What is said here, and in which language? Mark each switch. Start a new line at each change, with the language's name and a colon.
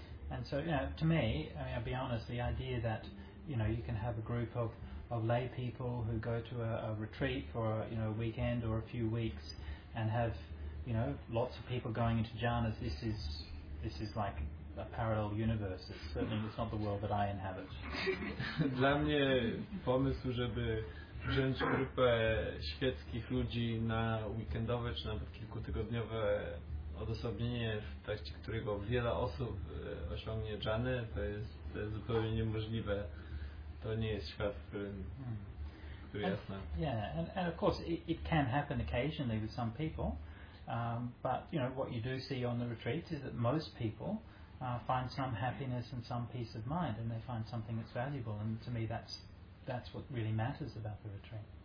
English: And so, to me, I'll be honest, the idea that, you can have a group of lay people who go to a retreat for a weekend or a few weeks and have, lots of people going into jhanas, this is like a parallel universe. It's certainly not the world that I inhabit.
Polish: Dla mnie pomysł, żeby wziąć grupę świeckich ludzi na weekendowe czy nawet kilkutygodniowe odosobnienie, w trakcie którego wiele osób osiągnie dżany, to jest zupełnie niemożliwe. To nie jest świat, który jasny.
English: Yeah, and of course it can happen occasionally with some people, but you know what you do see on the retreats is that most people find some happiness and some peace of mind, and they find something that's valuable, and to me that's what really matters about the retreat.